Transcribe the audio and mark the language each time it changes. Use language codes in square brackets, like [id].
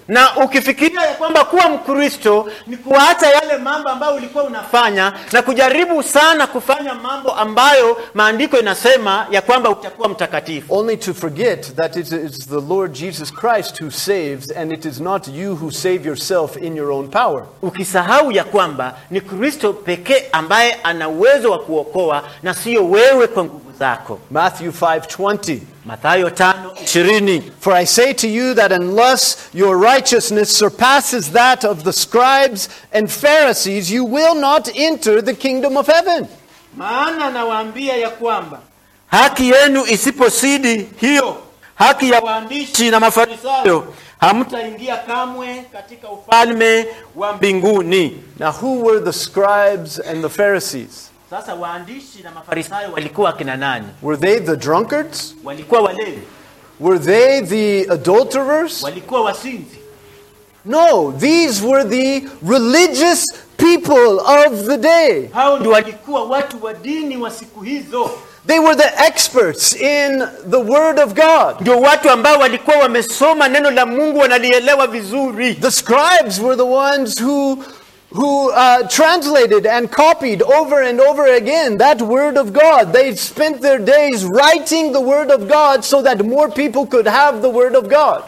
[sw] Na ukifikiria kwamba kuwa Mkristo ni kuacha yale mambo ambayo ulikuwa unafanya na kujaribu sana kufanya mambo ambayo maandiko inasema ya kwamba utakuwa mtakatifu. [en] Only to forget that it is the Lord Jesus Christ who saves and it is not you who save yourself in your own power. [sw] Ukisahau ya kwamba ni Kristo pekee ambaye ana uwezo wa kuokoa na sio wewe kwa nguvu zako. [en] Matthew 5:20. [sw] Matthayo 5:20. [en] For I say to you that unless your righteousness surpasses that of the scribes and Pharisees, you will not enter the kingdom of heaven. [sw] Maana nawaambia ya kwamba haki yenu isipozidi hiyo haki ya waandishi na mafarisayo, hamtaingia kamwe katika ufalme wa mbinguni. [en] Now who were the scribes and the Pharisees? [sw] Sasa waandishi na mafarisayo walikuwa kina nani? [en] Were they the drunkards? [sw] Walikuwa walevi. [en] Were they the adulterers? [sw] Walikuwa wasinzi. [en] No, these were the religious people of the day. [sw] Hao ndio walikuwa watu wa dini wa siku hizo. [en] They were the experts in the word of God. [sw] Ndio watu ambao walikuwa wamesoma neno la Mungu wanalielewa vizuri. [en] The scribes were the ones who translated and copied over and over again that word of God. They spent their days writing the word of God so that more people could have the word of God.